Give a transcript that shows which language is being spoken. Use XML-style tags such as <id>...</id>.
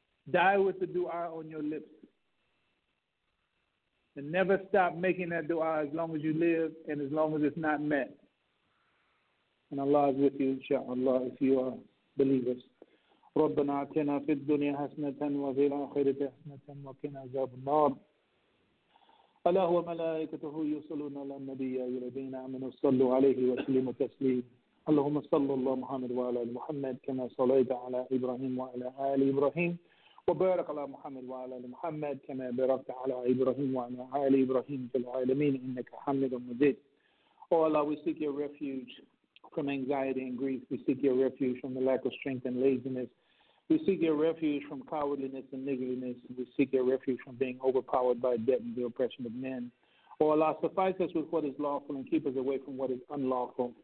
<en>Die with the dua on your lips. And never stop making that dua as long as you live and as long as it's not met. And Allah is with you, inshallah, if you are believers.</en> <ar>ربنا اعطنا في الدنيا حسنه وفي الاخره حسنه وقنا عذاب النار. الا هو ملائكته يصلون على النبي يا الذين امنوا صلوا عليه وسلموا تسليما. اللهم صل على محمد وعلى ال محمد كما صليت على ابراهيم وعلى ال ابراهيم. وبارك على محمد وعلى ال محمد كما باركت على ابراهيم وعلى ال ابراهيم في العالمين انك حميد مجيد.</ar> <en>Oh Allah, we seek your refuge from anxiety and grief. We seek your refuge from the lack of strength and laziness. We seek your refuge from cowardliness and niggardliness. We seek your refuge from being overpowered by debt and the oppression of men. O Allah, suffice us with what is lawful and keep us away from what is unlawful.</en>